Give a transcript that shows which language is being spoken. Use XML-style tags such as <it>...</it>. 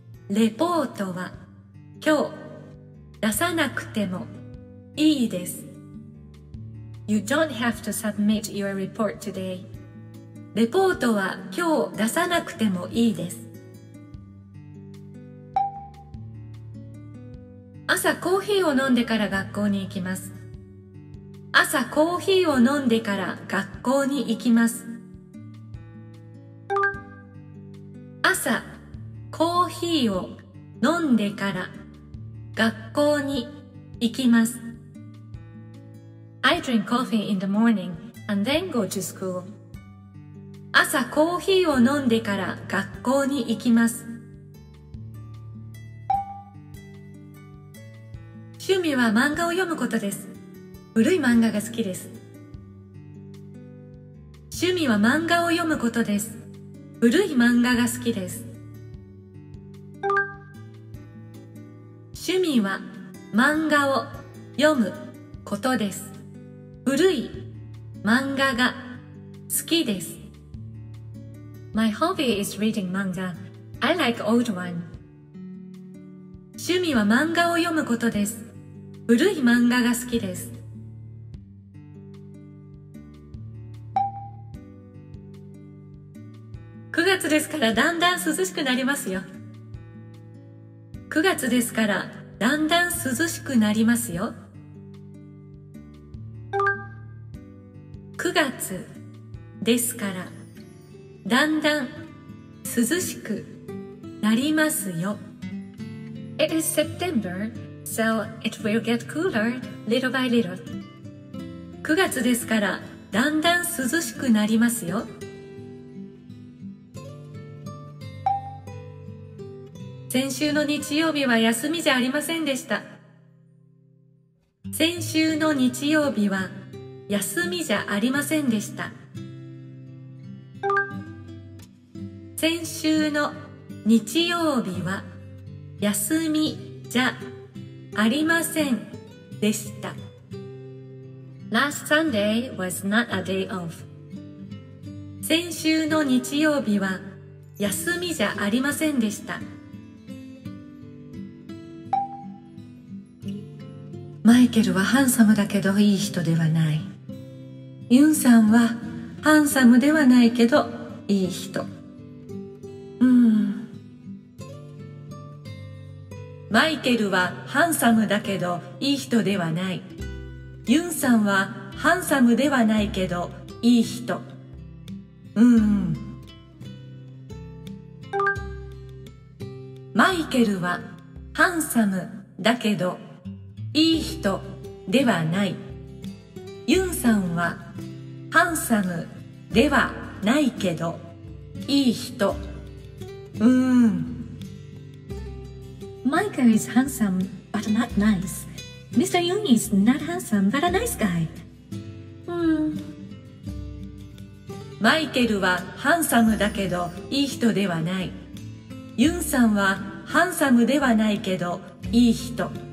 <ja>レポートは今日出さなくてもいいです。</ja> <en>You don't have to submit your report today.</en> <ja>レポートは今日出さなくてもいいです。朝コーヒーを飲んでから学校に行きます。朝コーヒーを飲んでから学校に行きます。朝コーヒーを飲んでから学校に行きます。</ja> <en>drink coffee in the morning and then go to school.</en> <ja>朝コーヒーを飲んでから学校に行きます。趣味は漫画を読むことです。古い漫画が好きです。趣味は漫画を読むことです。古い漫画が好きです。趣味は漫画を読むことです。古い漫画が好きです。</ja> <en>My hobby is reading manga. I like old one.</en> <ja>趣味は漫画を読むことです。古い漫画が好きです。 9月ですからだんだん涼しくなりますよ。 9月ですからだんだん涼しくなりますよ。 9月ですからだんだん涼しくなりますよ。</ja> <en>It is September, so it will get cooler little by little.</en> <ja>9月ですからだんだん涼しくなりますよ。先週の日曜日は休みじゃありませんでした。先週の日曜日は休みじゃありませんでした。先週の日曜日は休みじゃありませんでした。</ja> <en>Last Sunday was not a day off.</en> <ja>先週の日曜日は休みじゃありませんでした。マイケルはハンサムだけどいい人ではない。ユンさんはハンサムではないけどいい人。マイケルはハンサムだけどいい人ではない。ユンさんはハンサムではないけどいい人。マイケルはハンサムだけどいい人ではない。ユンさんはハンサムではないけどいい人。</ja> <en>Michael is handsome but not nice. Mr. Yun is not handsome but a nice guy.</en> <ja>Michael はハンサムだけどいい人ではない。ユンさんはハンサムではないけどいい人。</ja>